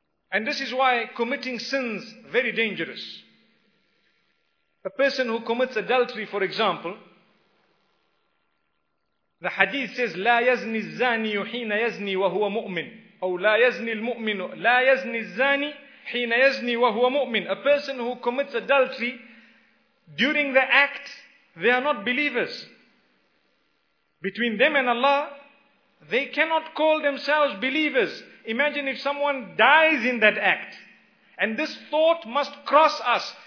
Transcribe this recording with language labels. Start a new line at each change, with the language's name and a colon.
English: And this is why committing sins is very dangerous. A person who commits adultery, for example, the hadith says,
Arabic: لا يزني الزاني حين يزني وهو مؤمن. أو لا يزني المؤمن لا يزني الزاني حين يزني وهو مؤمن.
English: A person who commits adultery during the act, they are not believers. Between them and Allah, they cannot call themselves believers. Imagine if someone dies in that act. And this thought must cross us.